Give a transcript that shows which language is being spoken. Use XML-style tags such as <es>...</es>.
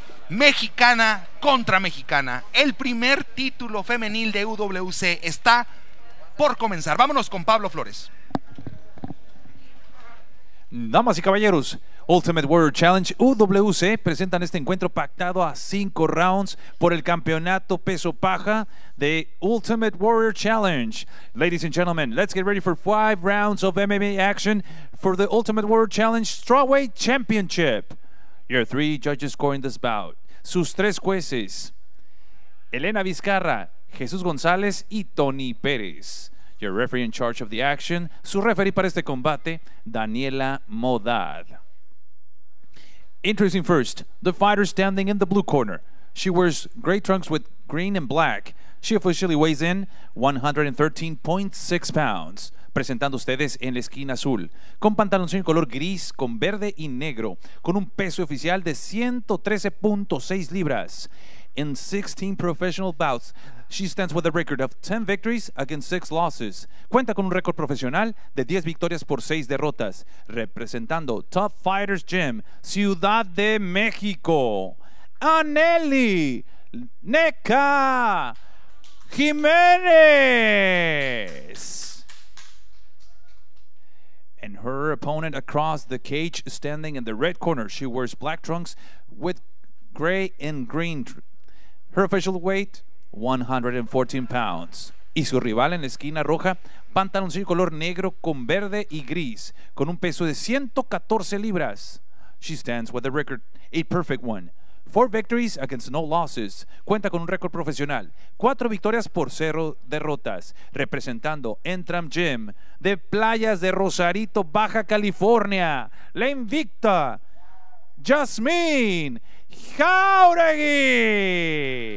<es>Mexicana contra mexicana. El primer título femenil de UWC está por comenzar. Vámonos con Pablo Flores. Damas y caballeros, Ultimate Warrior Challenge UWC presentan este encuentro pactado a 5 rounds por el campeonato peso paja de Ultimate Warrior Challenge.</es> <en>Ladies and gentlemen, let's get ready for 5 rounds of MMA action for the Ultimate Warrior Challenge Strawweight Championship. Your 3 judges scoring this bout.</en> <es>Sus 3 jueces:</es> <en>Elena Vizcarra, Jesús González y Tony Pérez. Your referee in charge of the action,</en> <es>su referee para este combate,</es> <en>Daniela Modad. Introducing first, the fighter standing in the blue corner. She wears gray trunks with green and black. She officially weighs in 113.6 pounds.</en> <es>Presentando ustedes en la esquina azul, con pantaloncillo en color gris, con verde y negro, con un peso oficial de 113.6 libras.</es> <en>In 16 professional bouts, she stands with a record of 10 victories against 6 losses.</en> <es>Cuenta con un récord profesional de 10 victorias por 6 derrotas. Representando Top Fighters Gym, Ciudad de México, Anneli Neca Jiménez.</es> <en>And her opponent across the cage, standing in the red corner, she wears black trunks with gray and green. Her official weight, 114 pounds.</en> <es>Y su rival en la esquina roja, pantaloncillo color negro con verde y gris, con un peso de 114 libras.</es> <en>She stands with a record, a perfect one. 4 victories against no losses.</en> <es>Cuenta con un récord profesional, 4 victorias por 0 derrotas. Representando Entram Gym de Playas de Rosarito, Baja California, la invicta Yasmín Jauregui.</es>